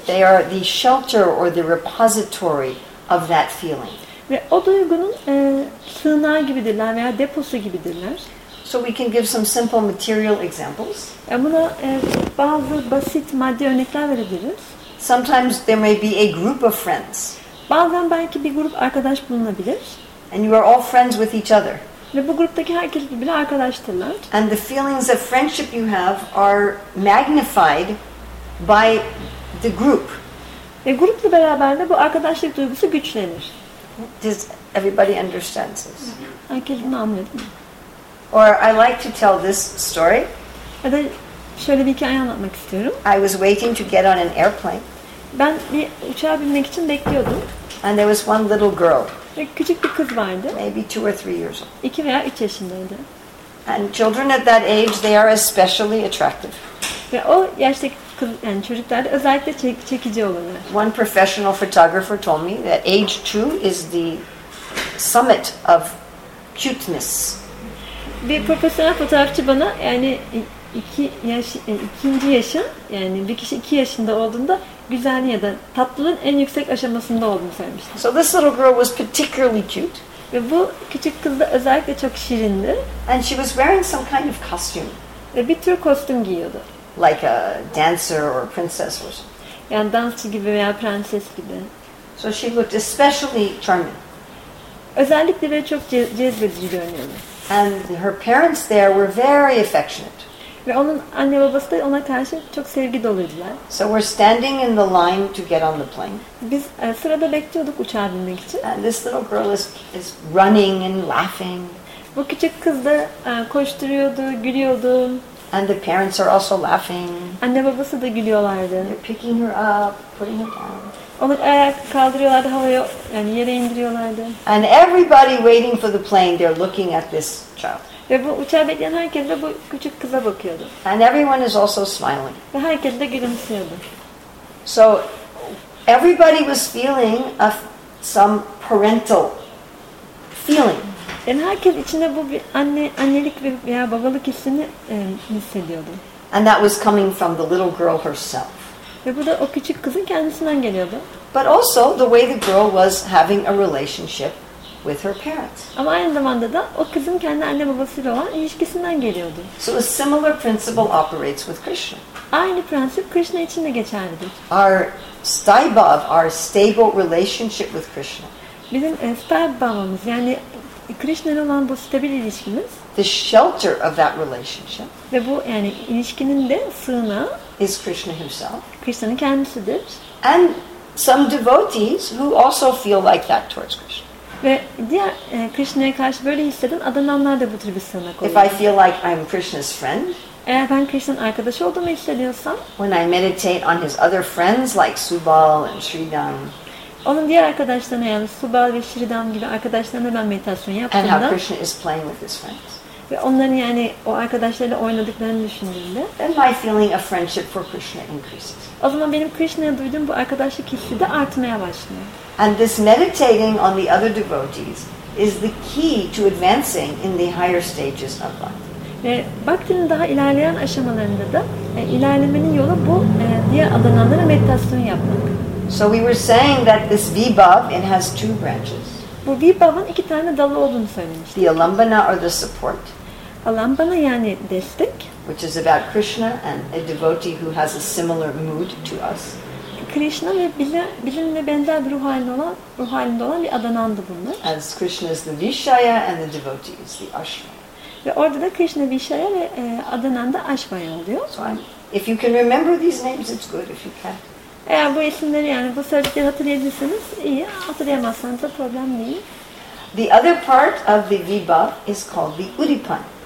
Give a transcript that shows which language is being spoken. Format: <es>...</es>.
<en>They are the shelter or the repository of that feeling.</en> <tr>Ve o duygunun sığınağı gibidirler veya deposu gibidirler.</tr> <en>So we can give some simple material examples.</en> <tr>Buna bazı basit maddi örnekler verebiliriz.</tr> <en>Sometimes there may be a group of friends.</en> <tr>Bazen belki bir grup arkadaş bulunabilir.</tr> <en>And you are all friends with each other.</en> <tr>Ve bu gruptaki herkes birbirine arkadaştırlar.</tr> <en>And the feelings of friendship you have are magnified by the group.</en> <tr>Ve grupla beraber de bu arkadaşlık duygusu güçlenir.</tr> <en>Does everybody understand this?</en> <tr>Herkes bunu anlıyor değil mi?</tr> <en>Or I like to tell this story.</en> <tr>Ya da şöyle bir hikaye anlatmak istiyorum.</tr> <en>I was waiting to get on an airplane.</en> <tr>Ben bir uçağa binmek için bekliyordum.</tr> <en>And there was one little girl.</en> <tr>Küçük bir kız vardı.</tr> <en>Maybe 2 or 3 years old.</en> <tr>2 veya 3 yaşındaydı.</tr> <en>And children at that age, they are especially attractive.</en> <tr>Ve o yaştaki kız, yani çocuklar da özellikle çekici olurlar.</tr> <en>One professional photographer told me that age 2 is the summit of cuteness.</en> <tr>Bir profesyonel fotoğrafçı bana yani 2 yaş, ikinci yaşın yani bir kişi 2 yaşında olduğunda güzelliği ya da tatlılığın en yüksek aşamasında olduğunu söylemişti.</tr> <en>So this little girl was particularly cute.</en> <tr>Ve bu küçük kız da özellikle çok şirindi.</tr> <en>And she was wearing some kind of costume.</en> <tr>Ve bir tür kostüm giyiyordu.</tr> <en>Like a dancer or a princess or something.</en> <tr>Yani dansçı gibi veya prenses gibi.</tr> <en>So she looked especially charming.</en> <tr>Özellikle ve çok cezbedici görünüyordu.</tr> <en>And her parents there were very affectionate.</en> <tr>Ve onun anne babası da ona karşı çok sevgi doluydular.</tr> <en>So we're standing in the line to get on the plane.</en> <tr>Biz sırada bekliyorduk uçağa binmek için.</tr> <en>And this little girl is running and laughing.</en> <tr>Bu küçük kız da koşturuyordu, gülüyordu.</tr> <en>And the parents are also laughing.</en> <tr>Anne babası da gülüyorlardı.</tr> <en>They're picking her up, putting her down.</en> <tr>Onu ayak kaldırıyorlardı havaya, yani yere indiriyorlardı.</tr> <en>And everybody waiting for the plane, they're looking at this child.</en> <tr>Ve bu uçağı bekleyen herkes de bu küçük kıza bakıyordu.</tr> <en>And everyone is also smiling.</en> <tr>Ve herkes de gülümsüyordu.</tr> <en>So everybody was feeling some parental feeling.</en> <tr>Yani herkes içinde bu bir annelik veya babalık hissini hissediyordu.</tr> <en>And that was coming from the little girl herself.</en> <tr>Ve bu da o küçük kızın kendisinden geliyordu.</tr> <en>But also the way the girl was having a relationship with her parents.</en> <tr>Ama aynı zamanda da o kızın kendi anne babasıyla olan ilişkisinden geliyordu.</tr> <en>So a similar principle operates with Krishna.</en> <tr>Aynı prensip Krishna için de geçerlidir.</tr> <en>Our staibhav, our stable relationship with Krishna.</en> <tr>Bizim staibhavımız, yani Krishna'yla olan bu stabil ilişkimiz.</tr> <en>The shelter of that relationship.</en> <tr>Ve bu, yani ilişkinin de sığınağı.</tr> <en>Is Krishna himself.</en> <tr>Krishna'nın kendisidir.</tr> <en>And some devotees who also feel like that towards Krishna.</en> <tr>Ve diğer Krishna'ya karşı böyle hisseden adananlar da bu tür bir sığınak oluyor.</tr> <en>If I feel like I'm Krishna's friend.</en> <tr>Eğer ben Krishna'nın arkadaşı olduğumu hissediyorsam.</tr> <en>When I meditate on his other friends like Subal and Sridham.</en> <tr>Onun diğer arkadaşlarına, yani Subal ve Sridham gibi arkadaşlarına ben meditasyon yaptığımda.</tr> <en>And how Krishna is playing with his friends.</en> <tr>Ve onların, yani o arkadaşlarıyla oynadıklarını düşündüğümde.</tr> <en>Then my feeling of friendship for Krishna increases.</en> <tr>O zaman benim Krishna'ya duyduğum bu arkadaşlık hissi de artmaya başlıyor.</tr> <en>And this meditating on the other devotees is the key to advancing in the higher stages of bhakti.</en> <tr>Ve bhakti'nin daha ilerleyen aşamalarında da ilerlemenin yolu bu diye adananlara meditasyon yapmak.</tr> <en>So we were saying that this vibhav, it has two branches.</en> <tr>Bu vibhavın iki tane dalı olduğunu söylemiştik.</tr> <en>The alambana or the support.</en> <tr>Alambana, yani destek.</tr> <en>Which is about Krishna and a devotee who has a similar mood to us.</en> <tr>Krishna ve bizimle benzer bir ruh halinde olan bir adanandı bunlar.</tr> <en>As Krishna is the Vishaya and the devotee is the Ashva.</en> <tr>Ve orada da Krishna Vishaya ve adananda Ashvaya oluyor.</tr> <en>So if you can remember these names, it's good if you can.</en> <tr>Eğer bu isimleri, yani bu sözcükleri hatırlayabilirsiniz, iyi. Hatırlayamazsanız da problem değil.</tr> <en>The other part of the vibhav is called the udipan.</en>